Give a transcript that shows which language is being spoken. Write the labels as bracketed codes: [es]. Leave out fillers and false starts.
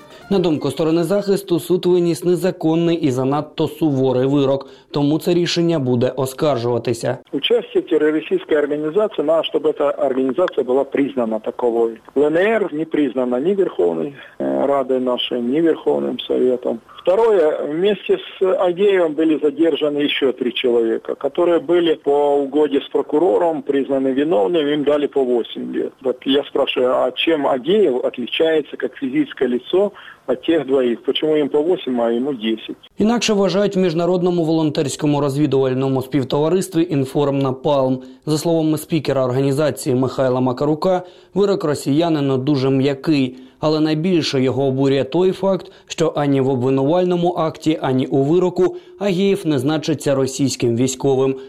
[uk] На думку сторони захисту, суд виніс незаконний і занадто суворий вирок. Тому це рішення буде оскаржуватися. Участь терористичної організації, на щоб ця організація була признана таковою. ЛНР не признана ні Верховною Радою нашою, ні Верховним Советом. [ru] Второе, вместе с Агеевым были задержаны еще 3 человека, которые были по угоде с прокурором признаны виновными, им дали по 8 лет. Вот я спрашиваю, а чем Агеев отличается как физическое лицо от тех двоих? Почему им по 8, а ему 10? [uk] Інакше вважають в міжнародному волонтерському розвідувальному співтоварстві «Інформ Напалм». За словами спікера організації Михайла Макарука, вирок росіянина дуже м'який. Але найбільше його обурює той факт, що ані в обвинувальному акті, ані у вироку Агеєв не значиться російським військовим.